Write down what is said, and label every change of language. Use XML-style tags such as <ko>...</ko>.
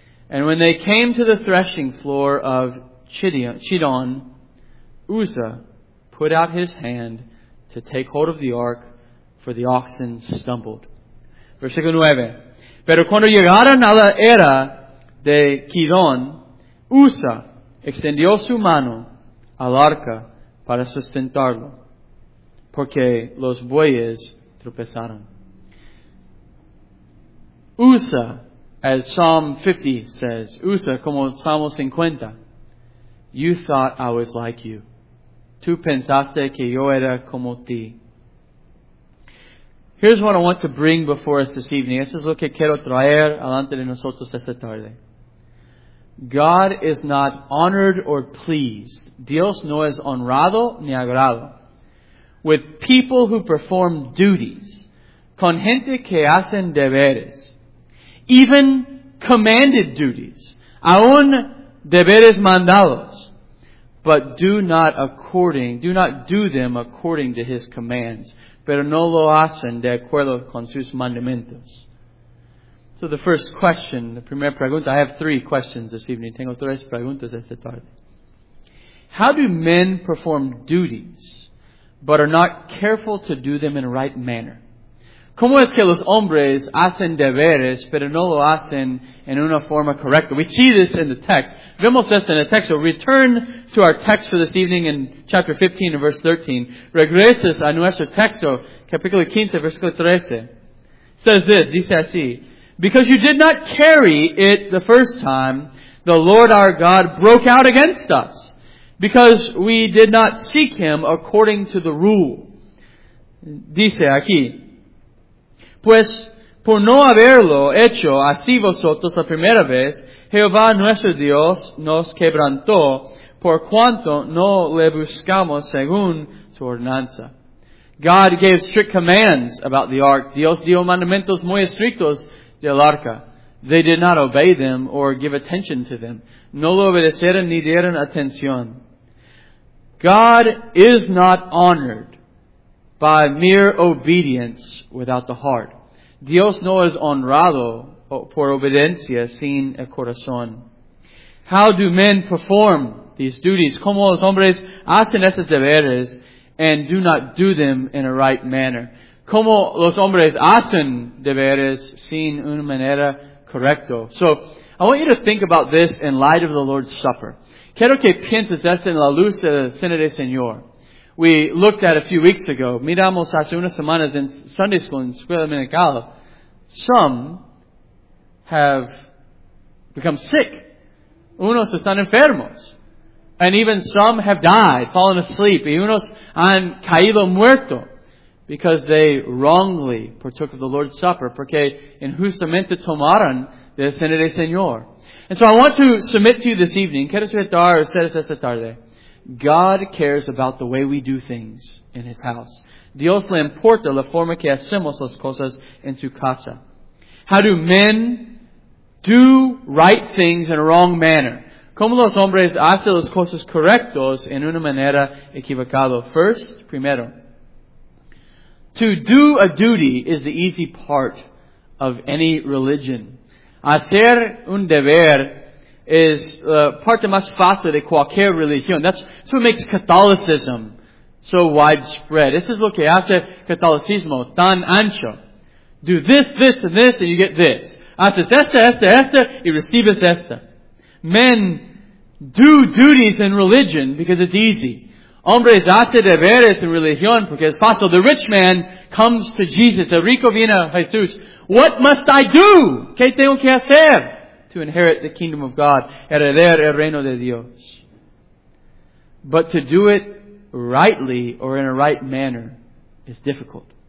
<en>And when they came to the threshing floor of Chidon, Uzzah put out his hand to take hold of the ark, for the oxen stumbled.</en> <es>Versículo 9. Pero cuando llegaron a la era de Chidon, Uzzah extendió su mano al arca para sustentarlo, porque los bueyes tropezaron.</es> <en>Uzzah, as Psalm 50 says, Uzzah,</en> <es>como Salmo 50,</es> <en>you thought I was like you.</en> <es>Tú pensaste que yo era como ti.</es> <en>Here's what I want to bring before us this evening.</en> <es>Esto es lo que quiero traer alante de nosotros esta tarde.</es> <en>God is not honored or pleased.</en> <es>Dios no es honrado ni agrado.</es> <en>With people who perform duties.</en> <es>Con gente que hacen deberes.</es> <en>Even commanded duties,</en> <es>aun deberes mandados,</es> <en>but do not do them according to his commands,</en> <es>pero no lo hacen de acuerdo con sus mandamientos.</es> <en>So the first question, the</en> <es>primera pregunta,</es> <en>I have three questions this evening.</en> <es>Tengo tres preguntas esta tarde.</es> <en>How do men perform duties, but are not careful to do them in a right manner?</en> <es>¿Cómo es que los hombres hacen deberes, pero no lo hacen en una forma correcta?</es> <en>We see this in the text.</en> <es>Vemos esto en el texto.</es> <en>Return to our text for this evening in chapter 15 and verse 13.</en> <es>Regresas a nuestro texto, capítulo 15, versículo 13.</es> <en>Says this,</en> <es>dice así,</es> <en>because you did not carry it the first time, the Lord our God broke out against us, because we did not seek him according to the rule.</en> <es>Dice aquí, pues, por no haberlo hecho así vosotros la primera vez, Jehová nuestro Dios nos quebrantó por cuanto no le buscamos según su ordenanza.</es> <en>God gave strict commands about the ark.</en> <es>Dios dio mandamientos muy estrictos del arca.</es> <en>They did not obey them or give attention to them.</en> <es>No lo obedecieron ni dieron atención.</es> <en>God is not honored by mere obedience without the heart.</en> <es>Dios no es honrado por obediencia sin el corazón.</es> <en>How do men perform these duties?</en> <es>¿Cómo los hombres hacen estos deberes</es> <en>and do not do them in a right manner?</en> <es>¿Cómo los hombres hacen deberes sin una manera correcta?</es> <en>So, I want you to think about this in light of the Lord's Supper.</en> <es>Quiero que pienses esto en la luz de la Cena del Señor.</es> <en>We looked at a few weeks ago.</en> <es>Miramos hace unas semanas en</es> <en>Sunday School,</en> <es>en Escuela Dominical.</es> <en>Some have become sick.</en> <es>Unos están enfermos.</es> <en>And even some have died, fallen asleep.</en> <es>Y unos han caído muerto</es> <en>because they wrongly partook of the Lord's Supper.</en> <es>Porque injustamente tomaron de la Cena del Señor.</es> <en>And so I want to submit to you this evening, God cares about the way we do things in His house.</en> <es>Dios le importa la forma que hacemos las cosas en su casa.</es> <en>How do men do right things in a wrong manner?</en> <es>¿Cómo los hombres hacen las cosas correctos en una manera equivocada?</es> <en>First, primero, to do a duty is the easy part of any religion.</en> <es>Hacer un deber es la parte más fácil de cualquier religión.</es> <en>That's what makes Catholicism so widespread. This is</en> <es>lo que hace Catolicismo tan ancho.</es> <en>Do this, this, and this, and you get this.</en> <es>Haces esta, esta, esta, y recibes esta.</es> <en>Men do duties in religion because it's easy.</en> <es>Hombres hacen deberes en religión porque es fácil.</es> <en>The rich man comes to Jesus.</en> <es>El rico viene a Jesús.</es> <en>What must I do?</en> <es>¿Qué tengo que hacer?</es> <en>To inherit the kingdom of God.</en> <es>Heredar el reino de Dios.</es> <en>But to do it rightly or in a right manner is difficult.</en>